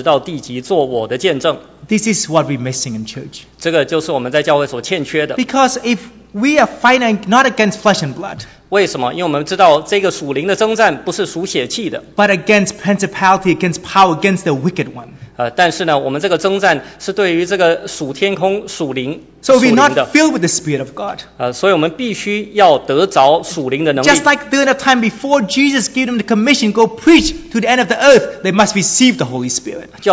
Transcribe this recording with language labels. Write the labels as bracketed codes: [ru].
[zh] 第八节，但圣灵降临在你们身上，你们就必得着能力，并要在耶路撒冷、犹太全地的撒玛利亚，直到地极，做我的见证。 [en] This is what we're missing in church. [zh] 这个就是我们在教会所欠缺的。 [en] Because if we are fighting not against flesh and blood. [zh] 为什么？因为我们知道这个属灵的征战不是属血气的。 [en] But against principality, against power, against the wicked one. [zh] 但是呢，我们这个征战是对于这个属天空、属灵。 [en] So we're not filled with the Spirit of God. [zh] 所以我们必须要得着属灵的能力。 [en] Just like during the time before Jesus gave them the commission, go preach to the end of the earth, they must receive the Holy Spirit.